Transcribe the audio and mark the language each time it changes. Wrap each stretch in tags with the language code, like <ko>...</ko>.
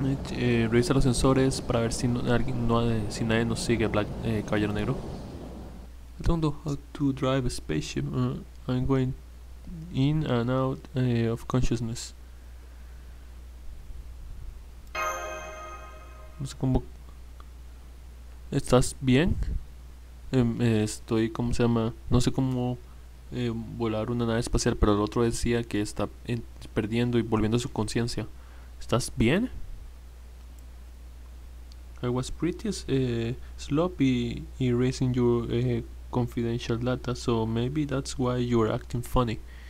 <es>Revisa los sensores para ver si nadie nos sigue. Black Caballero Negro.</es> <en>I don't know how to drive a spaceship. I'm going in and out of consciousness.</en> <es>No sé cómo. ¿Estás bien? Estoy, ¿cómo se llama? No sé cómo volar una nave espacial, pero el otro decía que está perdiendo y volviendo su conciencia. ¿Estás bien?</es> <en>I was pretty sloppy in raising your confidential data, so maybe that's why you're acting funny.</en>